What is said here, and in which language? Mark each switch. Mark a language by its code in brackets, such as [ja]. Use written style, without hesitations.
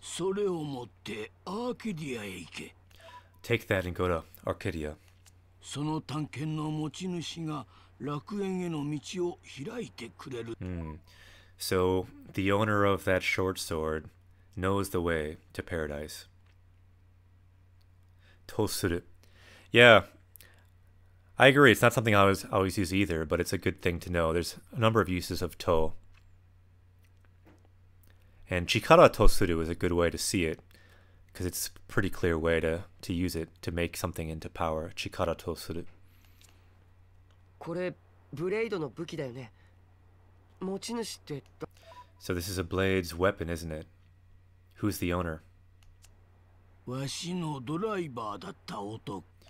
[ja] それを持ってアーケディアへ行け. [en] Take that and go to Arcadia. [ja] その探検の持ち主が 楽園への道を開いてくれる. [en] So the owner of that short sword knows the way to paradise. とする.Yeah, I agree. It's not something I always use either, but it's a good thing to know. There's a number of uses of to. And chikara とする is a good way to see it, because it's a pretty clear way to use it, to make something into power. [ja] Chikara とする. これ ブレイドの武器だよね. 持ち主って… [en] So this is a blade's weapon, isn't it? Who's the owner? [ja] わしのドライバーだった男.